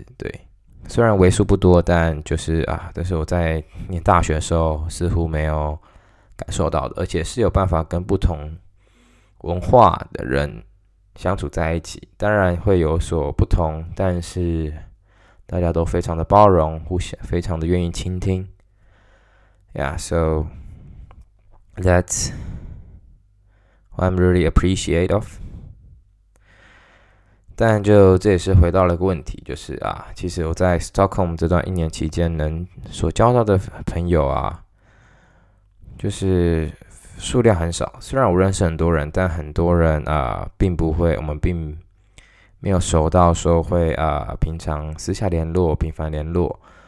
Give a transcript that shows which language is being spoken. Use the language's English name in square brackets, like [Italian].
[Chinese] 对，虽然为数不多，但就是啊，但是我在念大学的时候似乎没有感受到的，而且是有办法跟不同文化的人相处在一起，当然会有所不同，但是大家都非常的包容，互相非常的愿意倾听。 [English] Yeah, so that's what I'm really appreciate of. [Chinese] 但就这也是回到了一个问题，就是啊，其实我在 Stockholm 这段一年期间能所交到的朋友啊，就是数量很少。虽然我认识很多人，但很多人啊，并不会，我们并没有熟到说会啊，平常私下联络、频繁联络。